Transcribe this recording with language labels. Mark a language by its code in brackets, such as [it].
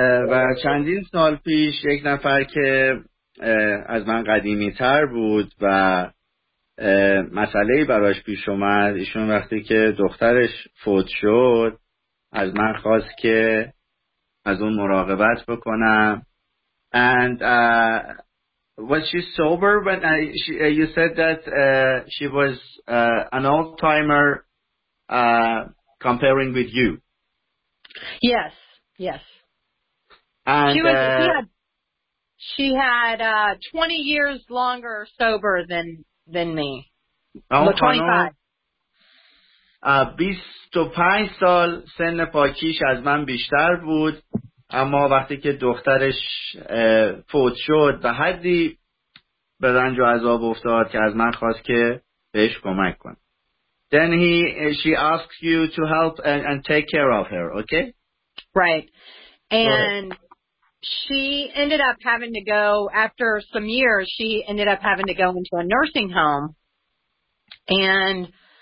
[fa] و چندین سال پیش یک نفر که از من قدیمی تر بود و مسئله‌ای براش پیش اومد، ایشون وقتی که دخترش فوت شد از من خواست که از اون مراقبت بکنم. [en] And was she sober when you said that she was an old timer comparing with you? Yes, yes. And she had 20 years longer sober than me. Well, 25. [fa] 25 سال سن پاکیش از من بیشتر بود، اما وقتی که دخترش فوت شد به حدی به رنج و عذاب افتاد که از من خواست که بهش کمک کنم. [en] Then she asks you to help and take care of her, okay? Right. And she ended up having to go, after some years, she ended up having to go into a nursing home. And